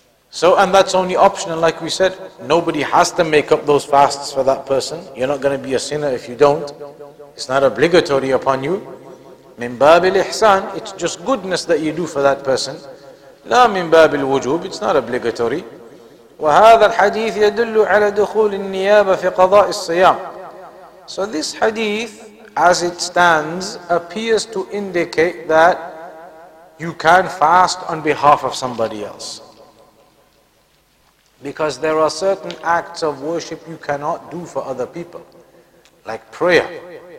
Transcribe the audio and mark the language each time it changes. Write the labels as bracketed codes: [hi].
[en] So, and that's only optional, like we said. Nobody has to make up those fasts for that person. You're not going to be a sinner if you don't. It's not obligatory upon you. [ar] Min bab al-ihsan, [en] it's just goodness that you do for that person. [ar] La min bab al-wujub, [en] it's not obligatory. وهذا الحديث يدل على دخول النيابة في قضاء الصيام. So this hadith, as it stands, appears to indicate that you can fast on behalf of somebody else. Because there are certain acts of worship you cannot do for other people. Like prayer.